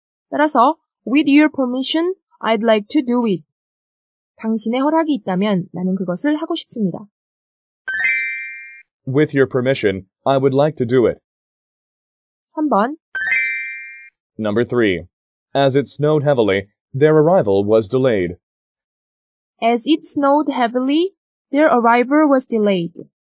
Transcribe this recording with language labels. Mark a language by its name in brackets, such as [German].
[Korean] 따라서 [English] with your permission, I'd like to do it. [Korean] 당신의 허락이 있다면 나는 그것을 하고 싶습니다. [English] With your permission, I would like to do it. [Korean] 3번 [English] Number 3. As it snowed heavily, their arrival was delayed. As it snowed heavily, their arrival was delayed.